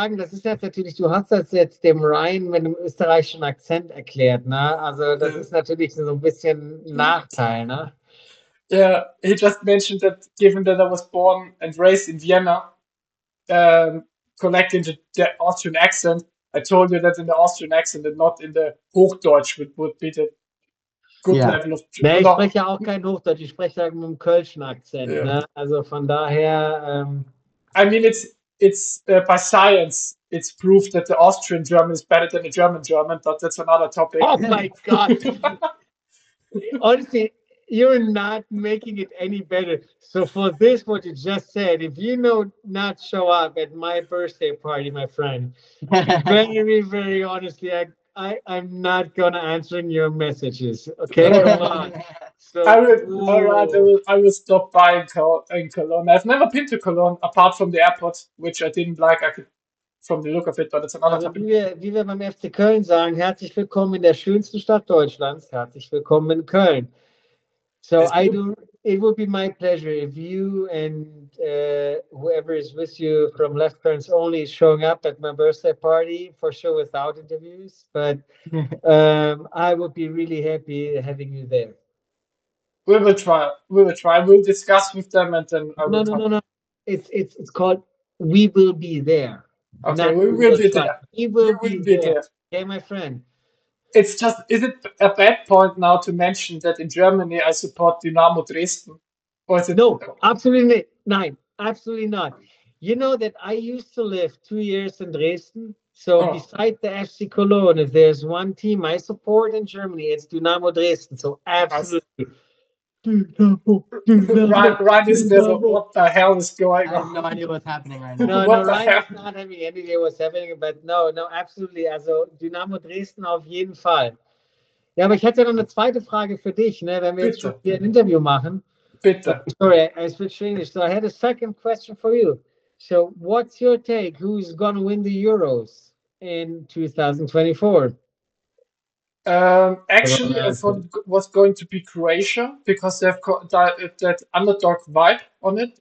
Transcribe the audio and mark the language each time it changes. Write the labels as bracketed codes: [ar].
[de] Das ist jetzt natürlich, du hast das jetzt dem Ryan mit einem österreichischen Akzent erklärt, ne? Also das ist natürlich so ein bisschen Nachteil, ne? [en] Yeah, he just mentioned that given that I was born and raised in Vienna, connecting to the Austrian accent, I told you that in the Austrian accent and not in the Hochdeutsch would be the [de] Ja. Nee, ich spreche ja auch kein Hochdeutsch, ich spreche ja mit einem Kölschen Akzent. Ja. Ne? Also von daher. [en] I mean, it's by science, it's proof that the Austrian German is better than the German German, but that's another topic. Oh my God. Honestly, you're not making it any better. So for this, what you just said, if you not show up at my birthday party, my friend, very, very honestly, I'm not gonna answer your messages. Okay. I will stop by in Cologne. I've never been to Cologne apart from the airport, which I didn't like. I could, from the look of it, but it's another topic. [de] Wie wir beim FC Köln sagen, herzlich willkommen in der schönsten Stadt Deutschlands. Herzlich willkommen in Köln. So [en] It would be my pleasure if you and whoever is with you from Left Turns Only is showing up at my birthday party, for sure without interviews, but I would be really happy having you there. We will try. We'll discuss with them and then... No. It's called We Will Be There. Okay, we will be there. We will be there. Okay, my friend. It's just, is it a bad point now to mention that in Germany I support Dynamo Dresden? Or is it no, absolutely not. You know that I used to live 2 years in Dresden. So beside the FC Cologne, if there's one team I support in Germany, it's Dynamo Dresden. So absolutely. Ryan, what the hell is going on? I have no idea what's happening right now. Ryan is not having any idea what's happening, but no, absolutely. [de] Also Dynamo Dresden auf jeden Fall. Ja, aber ich hätte noch eine zweite Frage für dich, ne, wenn wir jetzt hier ein Interview machen. Bitte. [en] Sorry, I switched English. So I had a second question for you. So what's your take? Who's going to win the Euros in 2024? Actually, I thought it was going to be Croatia because they have that underdog vibe on it.